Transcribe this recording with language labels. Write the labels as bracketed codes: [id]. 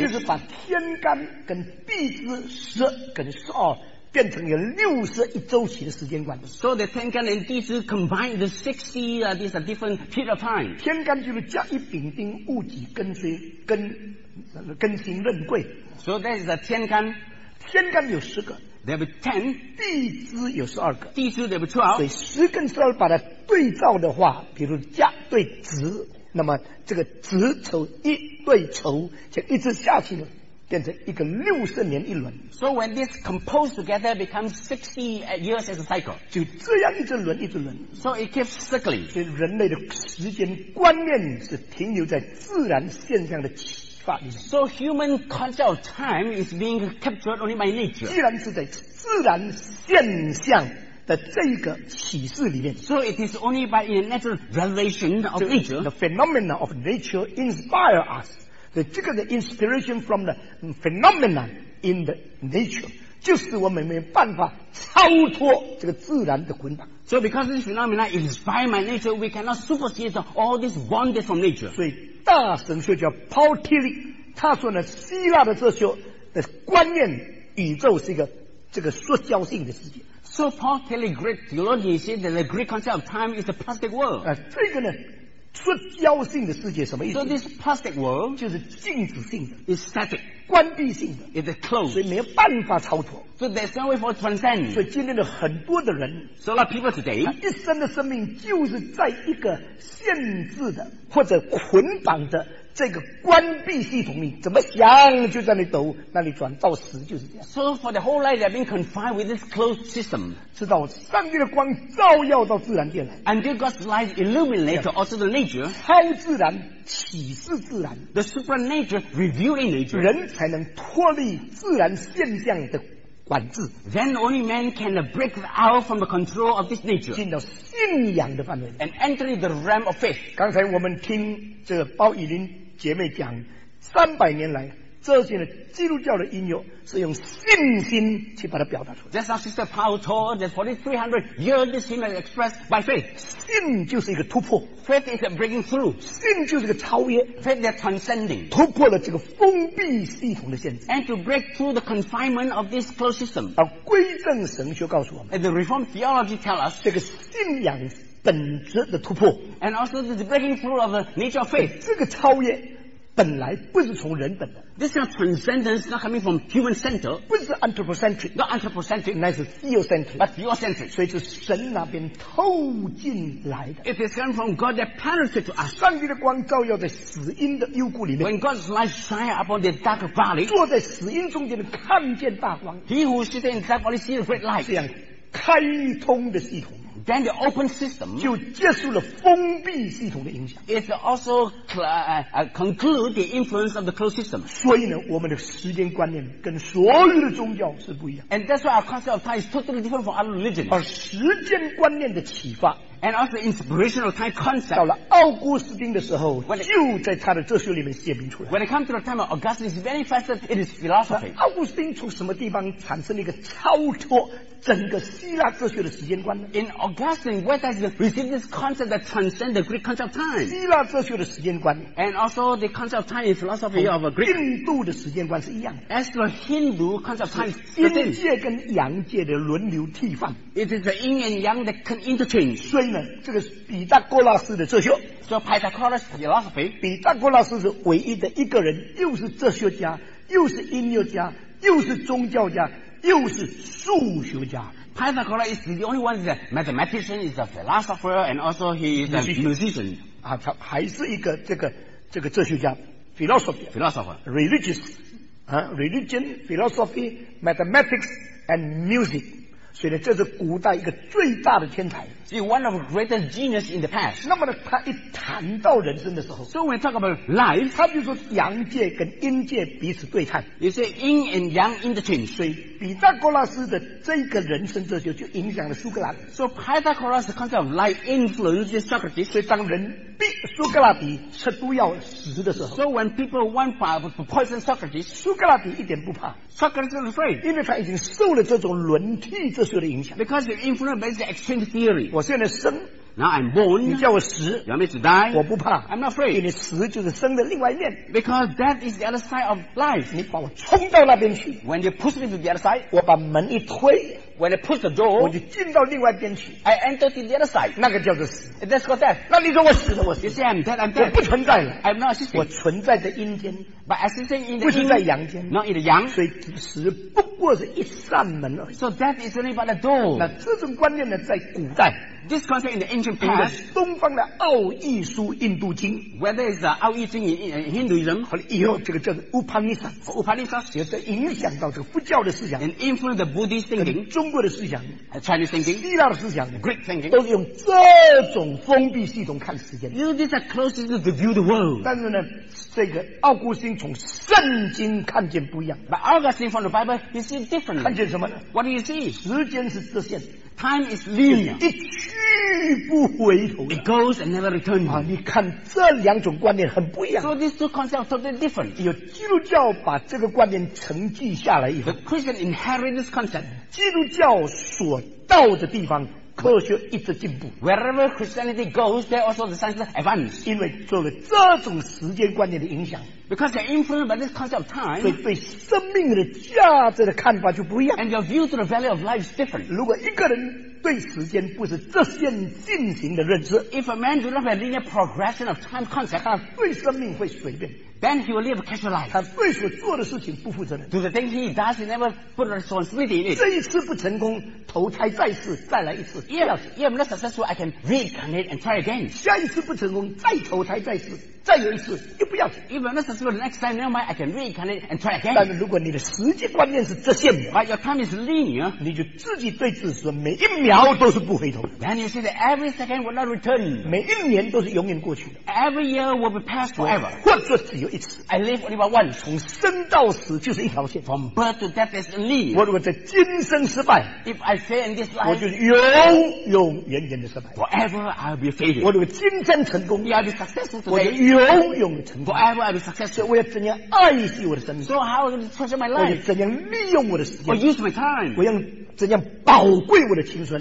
[zh] 就是把天干跟地支十跟十二变成有六十一周期的时间观 [en] so the [zh] 天干跟地支 [en] combine the 60 these are different period of time [zh] 天干就是甲乙丙丁戊己庚戌庚辛壬癸 [en] So that is the 天干。 [zh] 天干有十个。 [en] There will be 10. [zh] 地支有十二个。 [en] 地支 there will be 12. [zh] 所以十跟十二把它对照的话比如甲对子那么这个子丑一对丑就一直下去了变成一个六十年一轮。 [en] So when this composed together becomes 60 years as a cycle. [zh] 就这样一直轮一直轮。 [en] So it keeps circling. [zh] 所以人类的时间观念是停留在自然现象的起。 [en] So human concept of time is being captured only by nature. [zh] 既然是在自然现象的这个启示里面 [en] So it is only by a natural revelation of nature. The phenomena of nature inspire us. [zh] 所以这个的 [en] inspiration from the phenomena in the nature [zh] 就是我们没有办法超脱这个自然的捆绑 [en] So because this phenomena inspire my nature, we cannot supersede all this bondage from nature. [zh] 所以大神学叫 Paul Tilly 他说呢希腊的哲学的观念宇宙是一个这个塑胶性的世界 [en] So Paul Tilly Greek theologian said that the Greek concept of time is a plastic world [zh] 这个呢塑胶性的世界什么意思 [en] So this plastic world [zh] 就是静止性的 [en] is static [zh] 关闭性的 [en] is closed [zh] 所以没有办法超脱 [en] So there's no way for transcend [zh] 所以今天的很多的人 [en] So a lot of people today [zh] 一生的生命就是在一个限制的或者捆绑的这个关闭系统里怎么想就在那里抖那里转到死就是这样 [en] So for the whole life they've been confined with this closed system [zh] 直到上帝的光照耀到自然界来 [en] Until God's light illuminates also the nature [zh] 超自然启示自然 [en] The supernatural revealing nature [zh] 人才能脱离自然现象的管制 [en] Then only man can break out from the control of this nature [zh] 进到信仰的范围 [en] And enter the realm of faith [zh] 刚才我们听这个包以林姐妹讲三百年来这些的基督教的音乐是用信心去把它表达出来 [en] That's our sister Paul told that for this 300 years this hymn is expressed by faith [zh] 信就是一个突破 [en] Faith is a breaking through [zh] 信就是一个超越 [en] Faith is transcending [zh] 突破了这个封闭系统的限制 [en] And to break through the confinement of this closed system [zh] 而归正神学告诉我们 [en] And the Reformed theology tell us [zh] 这个信仰本质的突破 [en] And also the breaking through of the nature of faith [zh] 这个超越本来不是从人本的 [en] This kind of transcendence is not coming from human center [zh] 不是 anthropocentric [en] Not anthropocentric [zh] 那是 theocentric [en] But theocentric [zh] 所以是神那边透进来的 [en] It is coming from God that penetrated to us [zh] 上帝的光照耀在死荫的幽谷里面 [en] When God's light shines upon the dark valley [zh] 坐在死荫中间看见大光 [en] He who sits in the dark valley sees the great light [zh] 这样开通的系统 [en] then the open system [zh] 就结束了封闭系统的影响。 [en] It also conclude the influence of the closed system. [zh] 所以呢，我们的时间观念跟所有的宗教是不一样。 [en] And that's why our concept of time is totally different from other religions. [zh] 而时间观念的启发。 [en] And also inspirational time concept. [zh] 到了奥古斯丁的时候，就在他的哲学里面显明出来。 [en] When it comes to the time of Augustine, it's very fast. It is philosophy. [zh] 奥古斯丁从什么地方产生了一个超脱整个希腊哲学的时间观呢 [en] ？In Augustine, where does he receive this concept that transcends the Greek concept of time? [zh] 希腊哲学的时间观。 [en] And also the concept of time in philosophy of a Greek. [zh] 印度的时间观是一样的。 [en] As the Hindu concept of time, [zh] 阴界跟阳界的轮流替换。 [en] It is the yin and yang that can interchange. [zh] 所以这个是毕达哥拉斯的哲学。 [en] So Pythagoras' philosophy. [zh] 毕达哥拉斯是唯一的一个人，又是哲学家，又是音乐家，又是宗教家，又是数学家。 [en] Pythagoras is the only one that mathematician, is a philosopher, and also he is a musician. [zh] 啊，他还是一个这个哲学家 [en] ，philosopher, religious, religion, philosophy, mathematics, and music. [zh] 所以呢，这是古代一个最大的天才。 [en] He one of greatest genius in the past. [zh] 那么呢，他一谈到人生的时候 [en] ，So when talk about life, [zh] 他就说阳界跟阴界彼此对抗。 [en] You say yin and yang interchange. [zh] 所以，毕达哥拉斯的这个人生哲学就影响了苏格拉底。 [en] So Pythagoras' concept of life influences Socrates. [zh] 所以，当人逼苏格拉底吃毒药死的时候 [en] ，So when people want to poison Socrates, [zh] 苏格拉底一点不怕。 [en] Socrates is afraid, [zh] 因为他已经受了这种轮替哲学的影响。 [en] Because the influence by the exchange theory. [zh] 我现在生 [en] Now I'm born [zh] 你叫我死 [en] You want me to die [zh] 我不怕 [en] I'm not afraid [zh] 因为死就是生的另外一面 [en] Because death is the other side of life [zh] 你把我冲到那边去 [en] When you push me to the other side [zh] 我把门一推 [en] When I push the door [zh] 我就进到另外一边去 [en] I enter to the other side [zh] 那个叫做死 [en] That's called death [zh] 那你说我死了我死 [en] You say I'm dead I'm dead [zh] 我不存在了 [en] I'm not existing [zh] 我存在在阴间 [en] But existing in the [zh] 不是在阳间 [en] Not in the yang [zh] 所以死不过是一扇门而已 [en] So death is only but a door [zh] 那这种观念呢在古代 [en] This concept in the ancient past, [zh] 东方的奥义书印度经 [en] whether it's the 奥义经 in Hinduism, [zh] 后来以后这个叫做 Upanishad, 也在影响到这个佛教的思想 [en] and influence the Buddhist thinking, [zh] 中国的思想 [en] Chinese thinking, [zh] 希腊的思想 [en] Greek thinking, [zh] 都是用这种封闭系统看时间 [en] You know, these are closest to view the world. [zh] 但是呢，这个奥古斯丁从圣经看见不一样 [en] But Augustine from the Bible, he sees differently. [zh] 看见什么 [en] What do you see? [zh] 时间是直线 [en] Time is linear. [zh] 一去不回头。 [en] It goes and never returns. [zh] 啊，你看这两种观念很不一样。 [en] So these two concepts are totally different. [zh] 有基督教把这个观念承继下来以后 [en] ，The Christian inherited this concept. [zh] 基督教所到的地方。科学一直进步 [en] Wherever Christianity goes There also the science advance [zh] 因为受了这种时间观念的影响 [en] Because they're influenced by this concept of time [zh] 所以对生命的价值的看法就不一样 [en] And your view to the value of life is different [zh] 如果一个人对时间不是直线进行的认知 [en] If a man do not have a linear progression of time concept [zh] 他对生命会随便 [en] Then he will live a casual life [zh] 他对所做的事情不负责任 [en] Do the thing he does He never put responsibility in it [zh] 这一次不成功投胎再试再来一次 [en] If I'm not successful I can reincarnate and try again [zh] 下一次不成功再投胎再试再有一次又不要紧 [en] If I'm not successful the next time never mind I can reincarnate and try again [zh] 但是如果你的时间观念是直线 [en] But your time is linear [zh] 你就自己对自己说每一秒都是不回头 [en] Then you see that every second will not return [zh] 每一年都是永远过去的 [en] Every year will be passed forever [zh] 或者只有一次 [en] I live only by one [zh] 从生到死就是一条线 [en] From birth to death is linear [zh] 我如果在今生失败 [en] If I fail in this life [zh] 我就是永永远远的失败 [en] Forever I'll be a failure [zh] 我如果今生成功 [en] You'll be successful today [zh] 我就永永成功 [en] Forever I'll be successful [zh] 我要怎样爱惜我的生命 [en] So how will I treasure my life [zh] 我要怎样利用我的时间 [en] Or use my time [zh] 我要怎样宝贵我的青春